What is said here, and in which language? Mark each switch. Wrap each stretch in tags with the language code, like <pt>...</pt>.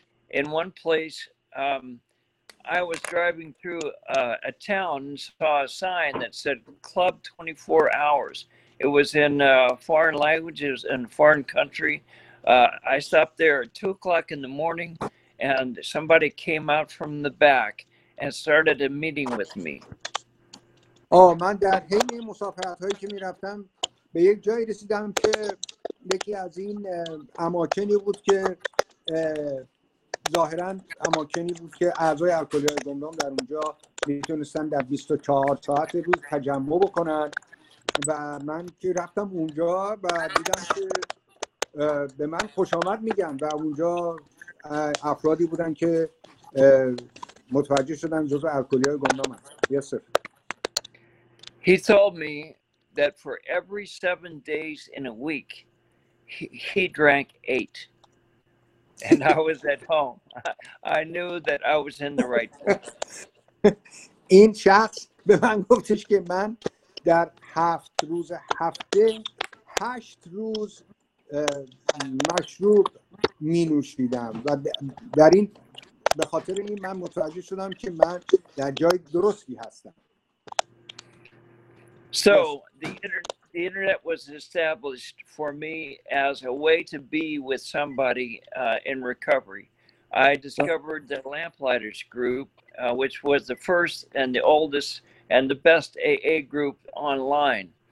<en>In one place, I was driving through a town and saw a sign that said Club 24 Hours. It was in foreign languages and foreign country. I stopped there at 2 o'clock in the morning, and somebody came out from the back and started a meeting with me.</en> <fa>Oh, من در همه مسافرت‌هایی که می‌رفتم به یک جایی رسیدم که یکی از این اماکنی بود که ظاهرا اماکنی بود که اعضای الکلی‌های گمنام در اونجا میتونستن در 24 ساعت روز تجمع بکنن و من که رفتم اونجا و دیدم که به من خوش آمد میگن و اونجا افرادی بودن که متوجه شدن جزء الکلی‌های گمنام هست.</fa> <en>Yes, sir. He told me that for every 7 days in a week he drank 8. And I was at home. I knew that I was in the right place.</en> <fa>این شخص به من گفتش که من در 7 روز هفته 8 روز مشروب می نوشیدم و در این به خاطر این من متوجه شدم که من در جای درستی هستم.</fa> <en>So the internet was established for me as a way to be with somebody in recovery. I discovered the Lamplighters group, which was the first and the oldest and the best AA group online.</en>